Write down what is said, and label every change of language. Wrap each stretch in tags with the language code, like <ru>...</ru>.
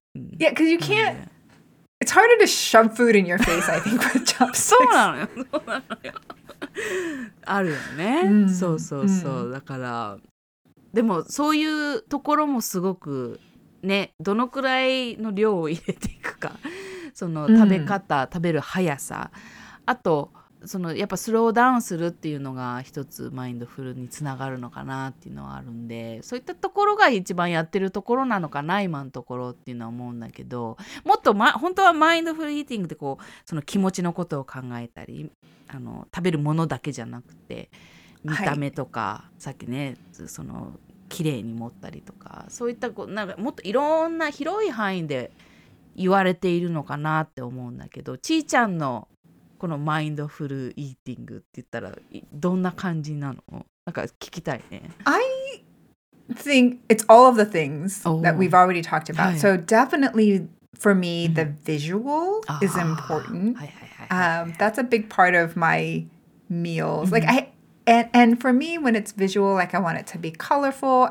<en>Yeah, because you can't It's harder to shove food in your face, I think, with chopsticks.</en> <ja>そうなのよ。あるよね。そうそうそう。だから、でもそういうところもすごくね、どのくらいの量を入れていくか、その食べ方、食べる速さ、あとそのやっぱスローダウンするっていうのが一つマインドフルにつながるのかなっていうのはあるんで、そういったところが一番やってるところなのかな、今のところっていうのは思うんだけど、もっと、本当はマインドフルイーティングってこう、その気持ちのことを考えたり、あの食べるものだけじゃなくて見た目とか、さっきね、その綺麗に持ったりとか、そういったこうなんかもっといろんな広い範囲で言われているのかなって思うんだけど、ちーちゃんのこのマインドフルイーティングって言ったらどんな感じなの？なんか聞きたいね。</ja> <en>I think it's all of the things that we've already talked about. So definitely for me, the visual is important. That's a big part of my meals. Like and for me, when it's visual, like I want it to be colorful.</en>